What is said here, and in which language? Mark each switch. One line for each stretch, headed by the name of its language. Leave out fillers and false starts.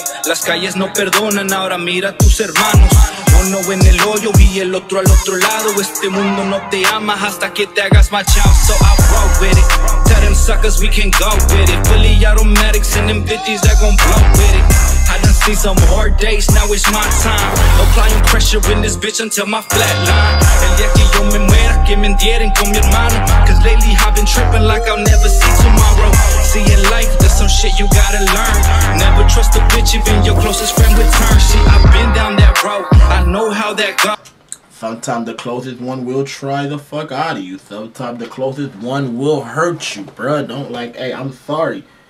Spanish: Las calles no perdonan, ahora mira a tus hermanos. Uno en el hoyo y el otro al otro lado. Este mundo no te ama hasta que te hagas machado.
English: So I roll with it. Tell them suckers we can go with it. Philly automatics and them bitches that gon' blow with it. I done seen some hard days, now it's my time. Applying pressure in this bitch until my flat line.
Spanish: El día que yo me muera, que me entierren con mi hermano.
English: Cause lately I've been tripping like I'll never see tomorrow. See, in life, there's some shit you gotta learn. Never trust a bitch, even your closest friend would turn. See, I've been down that road, I know how that go. Sometimes the closest one will try the fuck out of you. Sometimes the closest one will hurt you, bruh. Don't like, hey, I'm sorry.